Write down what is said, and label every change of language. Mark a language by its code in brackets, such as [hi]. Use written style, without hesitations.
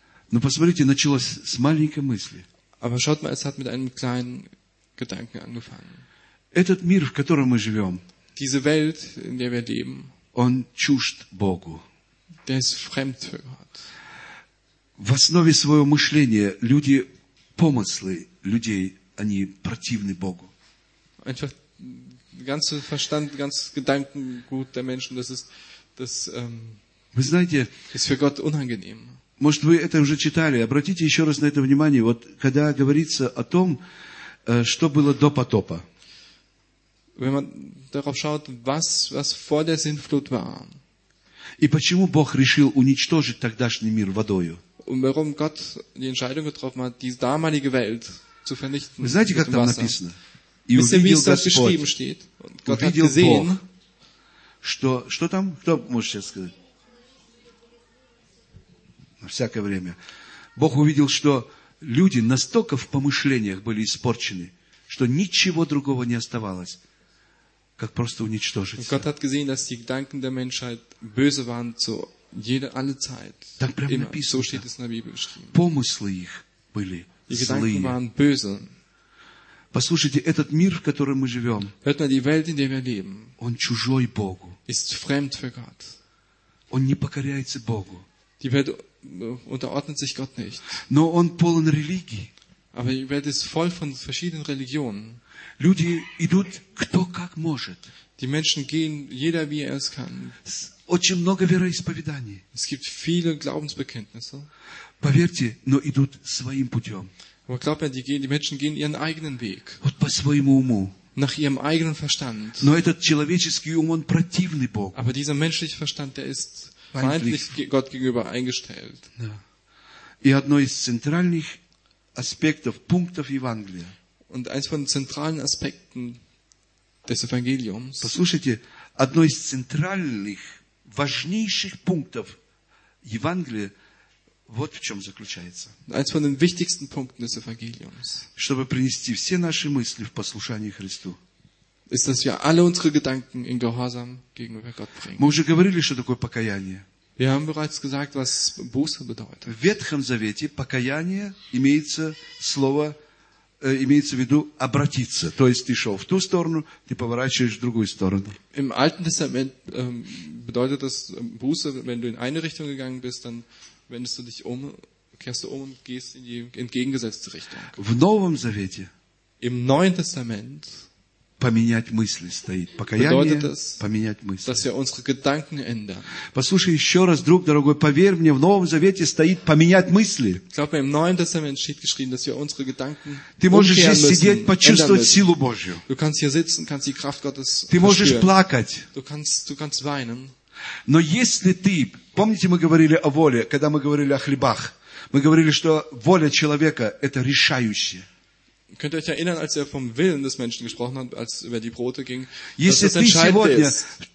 [ru] Но посмотрите, началось с маленькой мысли. [de] Aber schaut mal, es hat mit einem kleinen Gedanken angefangen. [ru] Этот мир, в котором мы живем, [de] diese Welt, in der wir leben, [ru] он чужд Богу. [de] Der ist fremd für Gott. [ru] В основе своего мышления люди, помыслы людей, они противны Богу. [de] Einfach ganz Verstand, ganz Gedankengut der Menschen, [ru] вы знаете, [de] ist für Gott unangenehm. [ru] Может, вы это уже читали. Обратите еще раз на это внимание. Вот когда говорится о том, что было до потопа. [de] Wenn man darauf schaut, was vor der Sintflut war. [ru] И почему Бог решил уничтожить тогдашний мир водою? [de] Und warum Gott die Entscheidung getroffen hat, die damalige Welt zu vernichten. [ru] Вы знаете, как там написано? И увидел Господь. [de] Wisst ihr, wie es dort geschrieben steht? Und Gott hat gesehen. [ru] Что там? Кто может сейчас сказать? Всякое время. Бог увидел, что люди настолько в помышлениях были испорчены, что ничего другого не оставалось, как просто уничтожить. [de] Gott hat gesehen, dass die Gedanken der Menschheit böse waren zu jeder alle Zeit. [ru] Так прямо immer. Написано. [de] So steht es in der Bibel geschrieben. [ru] Помыслы их были злые. [de] Die Gedanken waren böse. [ru] Послушайте, этот мир, в котором мы живем, [de] hört mal, die Welt, in der wir leben, [ru] он чужой Богу. [de] Ist fremd für Gott. [ru] Он не покоряется Богу. [de] Die Welt unterordnet sich Gott nicht. [ru] Но он полон религий. [de] Aber die Welt ist voll von verschiedenen Religionen. [ru] Люди идут кто как может. [de] Die Menschen gehen jeder wie er es kann. [ru] Очень много вероисповеданий. [de] Es gibt viele Glaubensbekenntnisse. [ru] Поверьте, но идут своим путем. [de] Aber glaub mir, die Menschen gehen ihren eigenen Weg. [ru] Вот по своему уму. [de] Nach ihrem eigenen Verstand. [ru] Но этот человеческий ум, он противный Богу. [de] Aber dieser menschliche Verstand, der ist feindlich Gott gegenüber eingestellt. Ja. [ru] И одно из центральных аспектов, пунктов Евангелия. [de] Und eins von zentralen Aspekten des Evangeliums. [ru] Послушайте, одно из центральных, важнейших пунктов Евангелия, вот в чем заключается. [de] Eins von den wichtigsten Punkten des Evangeliums. [ru] Чтобы принести все наши мысли в послушание Христу. [de] Ist, dass wir alle unsere Gedanken in Gehorsam gegenüber Gott bringen. [ru] Мы уже говорили, что такое покаяние. [de] Wir haben bereits gesagt, was Buße bedeutet. [ru] В Ветхом Завете покаяние имеется слово, имеется в виду обратиться. То есть ты шел в ту сторону, ты поворачиваешь в другую сторону. [de] Im Alten Testament bedeutet das Buße, wenn du in eine Richtung gegangen bist, dann wendest du dich um, kehrst du um und gehst in die entgegengesetzte Richtung. [ru] В Новом Завете. [de] Im Neuen Testament. [ru] Поменять мысли стоит. Покаяние, поменять мысли. [de] Dass wir unsere Gedanken ändern. [ru] Послушай еще раз, друг, дорогой, поверь мне, в Новом Завете стоит поменять мысли. [de] Glaub mir, im Neuen Testament steht geschrieben, dass wir unsere Gedanken umkehren müssen. [ru] Ты можешь здесь сидеть, почувствовать силу Божью. [de] Du kannst hier sitzen, kannst die Kraft Gottes verspüren. [ru] Ты можешь плакать. [de] Du kannst weinen. [ru] Но если ты, помните, мы говорили о воле, когда мы говорили о хлебах, мы говорили, что воля человека – это решающее. [de] Könnt ihr euch erinnern, als er vom Willen des Menschen gesprochen hat, als über die Brote ging, dass das entscheidend ist?